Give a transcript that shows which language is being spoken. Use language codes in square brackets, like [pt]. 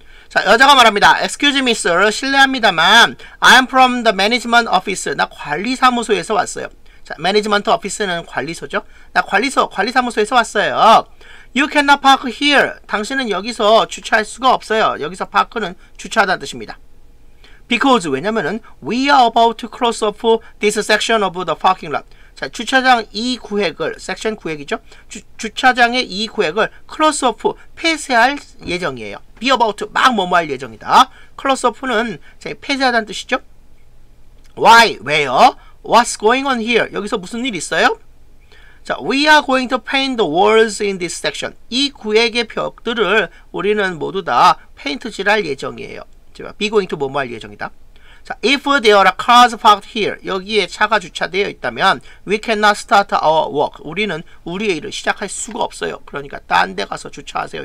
[ko] 자, 여자가 말합니다. [en] Excuse me, sir. [ko] 실례합니다만, [en] I'm from the management office. [ko] 나 관리사무소에서 왔어요. 자, [en] management office [ko] 는 관리소죠. 나 관리소, 관리사무소에서 왔어요. [en] You cannot park here. [ko] 당신은 여기서 주차할 수가 없어요. 여기서 파크는 주차하다는 뜻입니다. [en] Because, [ko] 왜냐면은, [en] we are about to close off this section of the parking lot. [ko] 자, 주차장 이 구획을, section 구획이죠? 주차장의 이 구획을 [en] close off, [ko] 폐쇄할 예정이에요. [en] be about, [ko] 막 뭐뭐 할 예정이다. [en] close off [ko] 는 폐쇄하다는 뜻이죠? [en] why, [ko] 왜요? [en] what's going on here? [ko] 여기서 무슨 일 있어요? [en] 자, we are going to paint the walls in this section. [ko] 이 구획의 벽들을 우리는 모두 다 페인트칠 할 예정이에요. [en] be going to [ko] 뭐뭐 할 예정이다. [en] 자, if there are cars parked here, [ko] 여기에 차가 주차되어 있다면, [en] we cannot start our work. [ko] 우리는 우리의 일을 시작할 수가 없어요. 그러니까 딴 데 가서 주차하세요.